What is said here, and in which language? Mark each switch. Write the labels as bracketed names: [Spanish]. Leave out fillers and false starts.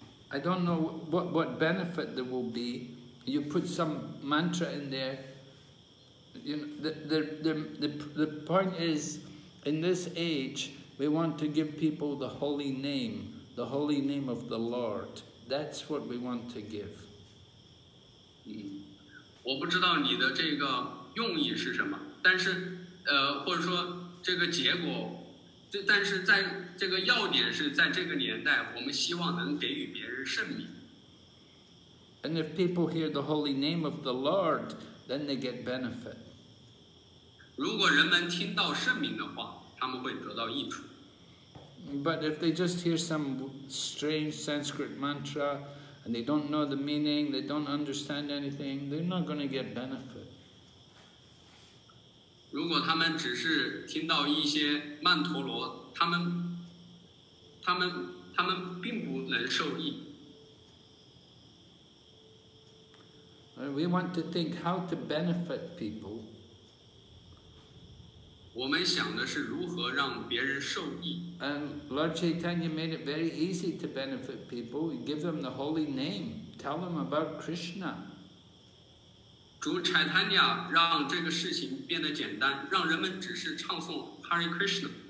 [English] I don't know what benefit there will be. You put some mantra in there. You know, the point is, in this age, we want to give people the holy name of the Lord. That's what we want to give. [Chinese] 我不知道你的这个用意是什么，但是或者说这个结果，但是在这个要点是在这个年代，我们希望能给予别人圣名。 [English] And if people hear the holy name of the Lord, then they get benefit. [Chinese] 如果人们听到圣名的话，他们会得到益处。 [English] But if they just hear some strange Sanskrit mantra,and they don't know the meaning, they don't understand anything, they're not going to get benefit. [Chinese] 如果他们只是听到一些曼陀罗，他们并不能受益。 [English] We want to think how to benefit people. [Chinese] 我们想的是如何让别人受益。 [English] And Lord Chaitanya made it very easy to benefit people. He gave them the holy name. Tell them about Krishna. [Chinese] 主 Chaitanya 让这个事情变得简单，让人们只是唱诵 Hare Krishna.